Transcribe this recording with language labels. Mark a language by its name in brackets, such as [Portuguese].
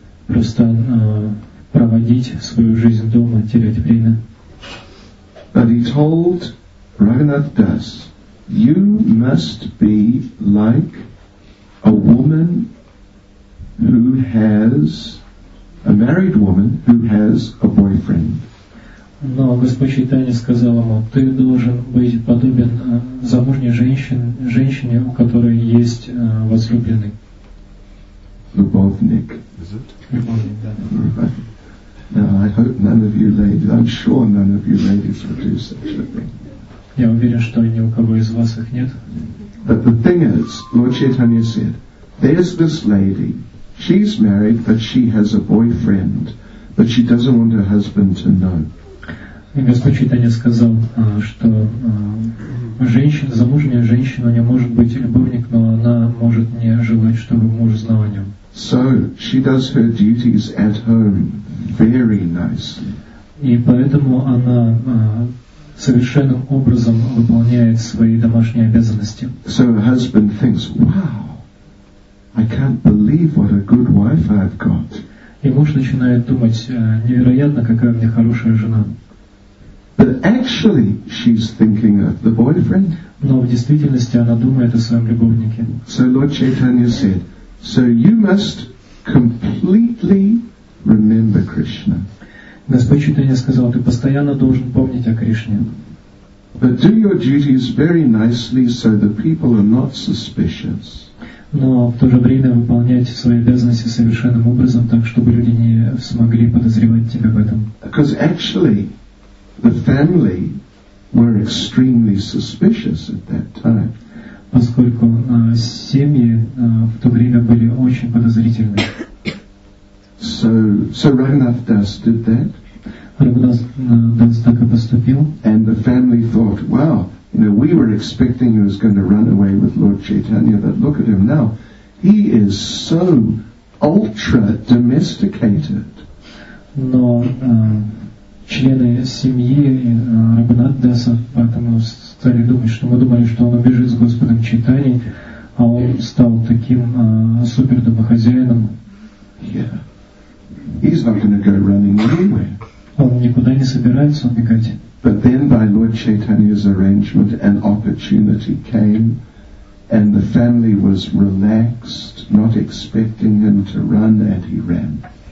[Russian] Просто проводить свою жизнь дома, терять время. [English] But he told Raghunath Das, you must be like a woman who has, a married woman who has a boyfriend. [Russian] Но Господь Чайтанья сказал ему, ты должен быть подобен замужней женщине, у которой есть возлюбленный. Любовник. [English] Is it? [Russian] Любовник, да. [English] Now I hope none of you ladies, I'm sure none of you ladies would do such a thing. [Russian] Я уверен, что ни у кого из вас их нет. [English] But the thing is, Lord Chaitanya said, there's this lady, she's married, but she has a boyfriend, but she doesn't want her husband to know. [Russian] И Господь Чайтанья сказал, что женщина, замужняя женщина, у нее может быть любовник, но она может не желать, чтобы муж знал о нем. [English] So she does her duties at home very nicely. [Russian] И поэтому она совершенным образом выполняет свои домашние обязанности. [English] So her husband thinks, wow, I can't believe what a good wife I've got. [Russian] И муж начинает думать, невероятно, какая у меня хорошая жена. [English] But actually she's thinking of the boyfriend. [Russian] Но в действительности она думает о своем любовнике. [English] So Lord Chaitanya said, so you must completely remember Krishna. [Russian] Господь Чайтанья сказал, ты постоянно должен помнить о Кришне. [English] But do your duties very nicely so the people are not suspicious. [Russian] Но в то же время выполняйте свои обязанности совершенным образом, так чтобы люди не смогли подозревать тебя в этом. [English] Because actually, the family were extremely suspicious at that time. [Russian] Поскольку семьи в то время были очень подозрительны. [English] So Raghunath Das did that. [Russian] Раганатдас так и поступил. [English] And the family thought, wow. You know, we were expecting he was going to run away with Lord Chaitanya, but look at him now. He is so ultra-domesticated. [Russian] Но члены семьи Раганатдаса поэтому стали думать, что мы думали, что он убежит с Господом Чайтани, а он стал таким супер-домохозяином. [English] Yeah. He's not going to go running anywhere. [Russian] Он никуда не собирается убегать. [English] But then by Lord Chaitanya's arrangement, an opportunity came, and the family was relaxed, not expecting him to run, and he ran.